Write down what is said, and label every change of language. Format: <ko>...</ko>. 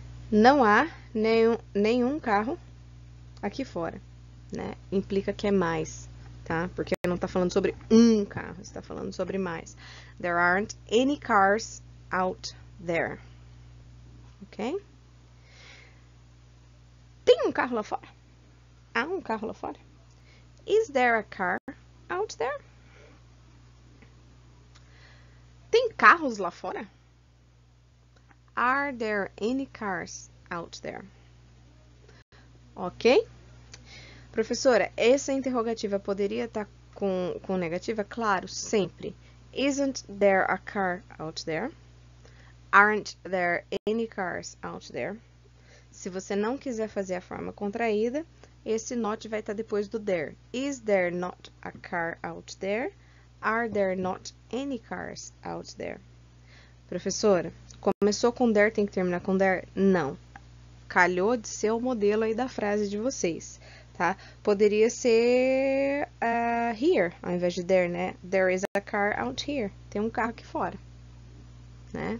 <pt>Não há nenhum carro aqui fora, né? Implica que é mais, tá? Porque não tá falando sobre um carro, está falando sobre mais.</pt> <en>There aren't any cars out there, ok?</en> <pt>Tem um carro lá fora? Há um carro lá fora?</pt> <en>Is there a car out there?</en> <pt>Tem carros lá fora?</pt> <en>Are there any cars out there? Ok?</en> <pt>Professora, essa interrogativa poderia estar com negativa? Claro, sempre.</pt> <en>Isn't there a car out there? Aren't there any cars out there?</en> <pt>Se você não quiser fazer a forma contraída, esse not vai estar depois do there.</pt> <en>Is there not a car out there? Are there not any cars out there?</en> <pt>Professora, começou com there, tem que terminar com there? Não. Calhou de ser o modelo aí da frase de vocês, tá? Poderia ser here, ao invés de there, né?</pt> <en>There is a car out here.</en> <pt>Tem um carro aqui fora, né?</pt>